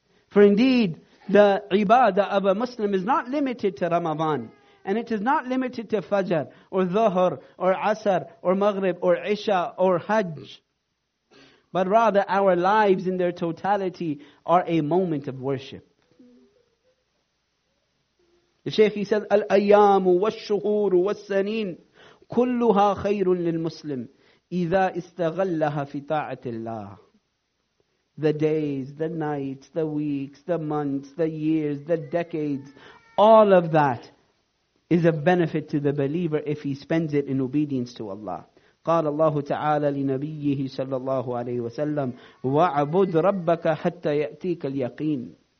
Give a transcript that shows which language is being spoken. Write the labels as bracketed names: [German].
[English] For indeed, the ibadah of a Muslim is not limited to Ramadan. And it is not limited to Fajr or Dhuhr or Asr or Maghrib or Isha or Hajj. But rather our lives in their totality are a moment of worship. The Shaykh, he said, [Arabic] الْأَيَّامُ وَالشُّهُورُ وَالسَّنِينُ كُلُّهَا خَيْرٌ لِلْمُسْلِمِ إِذَا إِسْتَغَلَّهَا فِي طَاعَةِ اللَّهِ. [English] The days, the nights, the weeks, the months, the years, the decades, all of that is a benefit to the believer if he spends it in obedience to Allah. [Arabic] قال الله تعالى لنبيه صلى الله عليه وسلم وَعَبُدْ رَبَّكَ حَتَّى يَأْتِيكَ الْيَقِينَ.